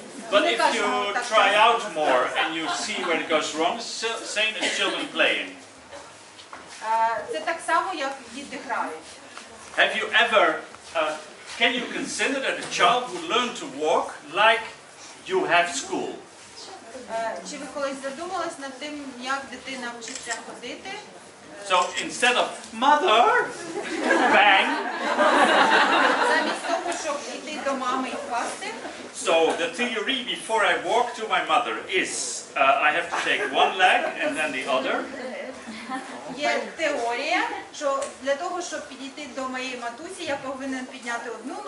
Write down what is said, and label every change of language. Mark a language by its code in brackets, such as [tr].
[en] But if you try out more and you see where it goes wrong, same as children playing. [uk] Це так само, як діти грають. [en] Have you ever, can you consider that a child would learn to walk like you have school? [uk] Чи ви колись задумались над тим, як дитина вчиться ходити? [en] So instead of mother, bang. [uk] Замість того, щоб іти до мами і пасти. [en] So the theory before I walk to my mother is I have to take one leg and then the other. [uk] Є теорія, що для того, щоб підійти до моєї матусі, я повинен підняти одну ногу.